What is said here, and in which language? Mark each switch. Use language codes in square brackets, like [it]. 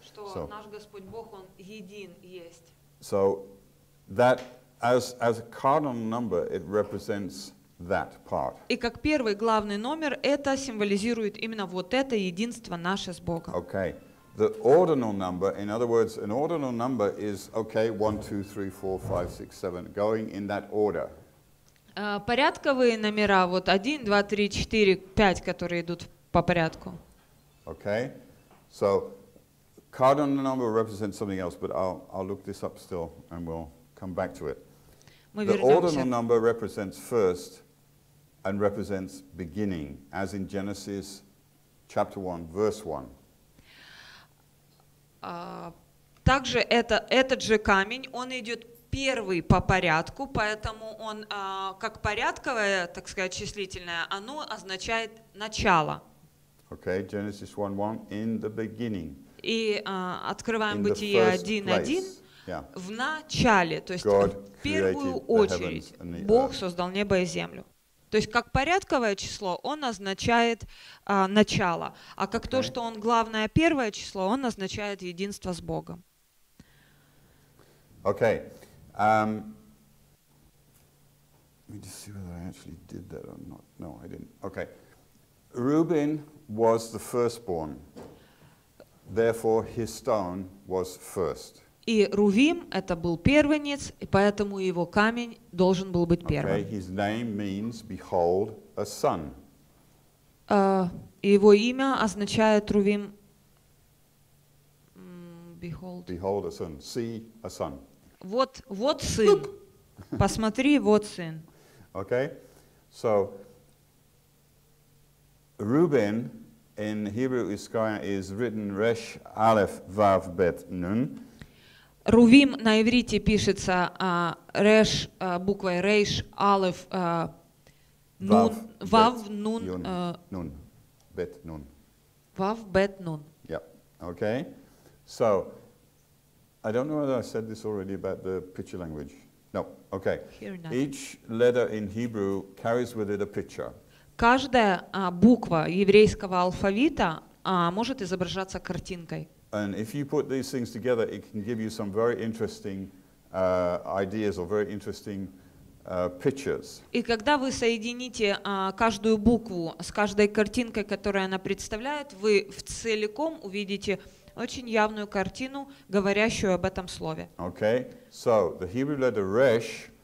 [ru] So, наш Господь Бог, Он един есть. [en] So that as a cardinal number, it represents that part. [ru] И как первый главный номер, это символизирует именно вот это единство наше с Богом. [en] Okay. The ordinal number, in other words, an ordinal number is, okay, 1, 2, 3, 4, 5, 6, 7, going in that order. [ru] Порядковые номера, вот 1, 2, 3, 4, 5, которые идут по порядку. [en] Okay. So, cardinal number represents something else, but I'll look this up still, and we'll come back to it. [ru] Мы [en] the ordinal number represents first and represents beginning, as in Genesis chapter 1, verse 1. [ru] Также этот же камень, он идет первый по порядку, поэтому он как порядковое, так сказать, числительное, оно означает начало. [en] Okay, Genesis 1:1 in the beginning. [ru] И открываем Бытие 1:1 [en] yeah. [ru] В начале, то есть [en] God [ru] в первую очередь Бог создал небо и землю. То есть как порядковое число он означает начало, а как okay. то, что он главное первое число, он означает единство с Богом. [en] Okay. Let me just see whether I actually did that or not. No, I didn't. Okay. Reuben was the firstborn. Therefore, his stone was first. [ru] И Рувим это был первенец, и поэтому его камень должен был быть первым. [en] Okay. His name means behold a son. [ru] Его имя означает Рувим. [en] Behold. Behold a son. See a son. [ru] Вот сын. Посмотри, вот сын. [en] Okay. So Reuben in Hebrew is written Resh Aleph Vav Bet Nun. [ru] Рувим на иврите пишется Resh буквой Resh Aleph Nun Vav Nun [en] Nun Bet Nun. Vav Bet Nun. Yeah. Okay. So I don't know whether I said this already about the picture language. No. Okay. Here now. Each letter in Hebrew carries with it a picture. [ru] Каждая буква еврейского алфавита может изображаться картинкой. [en] And if you put these things together, it can give you some very interesting ideas or very interesting pictures. [ru] И когда вы соедините каждую букву с каждой картинкой, которую она представляет, вы в целиком увидите очень явную картину, говорящую об этом слове. [en] Okay. So, the Hebrew letter resh.